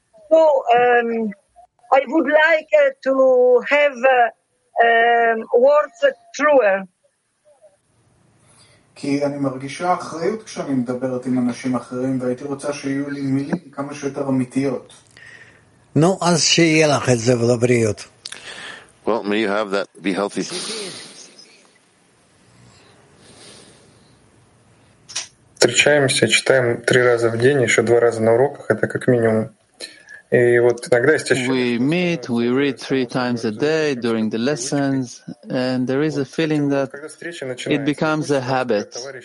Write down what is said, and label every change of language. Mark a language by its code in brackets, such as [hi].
[en] So I would like to have words truer. [he] כי אני מרגישה אחריות כשאני מדברת עם אנשים אחרים, והייתי רוצה שיהיו לי מילים כמה שיותר אמיתיות. נו, אז שיהיה לך את זה ולבריאות. [en] Well, may you have that, be healthy. [ru] Встречаемся, читаем три раза в день, еще два раза на уроках, это как минимум. [en] We meet, we read three times a day during the lessons, and there is a feeling that it becomes a habit.